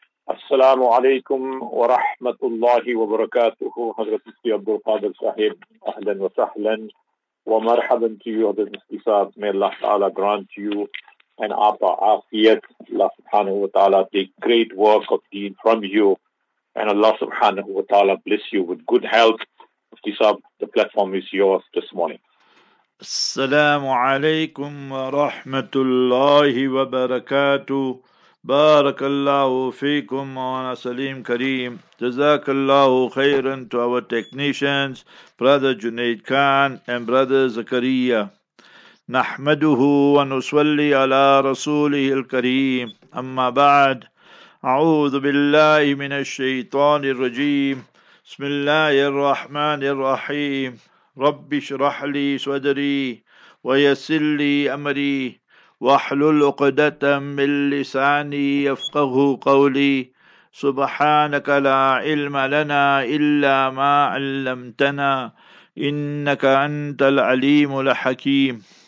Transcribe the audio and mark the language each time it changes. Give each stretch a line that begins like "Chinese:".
Arabic: السلام عليكم ورحمة الله وبركاته. حضرة مفتي عبد القادر صاحب، أهلا وسهلا ومرحبا
English: to you.
Arabic: حضرة مفتي صاحب،
English: may Allah ta'ala grant you and apa afiyat. Allah subhanahu wa ta'ala take great work of deen from you, and Allah subhanahu wa ta'ala bless you with good health. Mufti sahab, the platform is yours this morning.
Arabic: السلام عليكم ورحمة الله وبركاته. بارك الله فيكم وانا سليم كريم. جزاك الله خيرا
English: to our technicians, brother Junaid Khan and brother Zakaria.
Arabic: نحمده ونصلي على رسوله الكريم. أما بعد، أعوذ بالله من الشيطان الرجيم. بسم الله الرحمن الرحيم. رب اشرح لي صدري ويسر لي أمري واحلل عقدة من لساني يفقه قولي سبحانك لا علم لنا إلا ما علمتنا إنك أنت العليم الحكيم.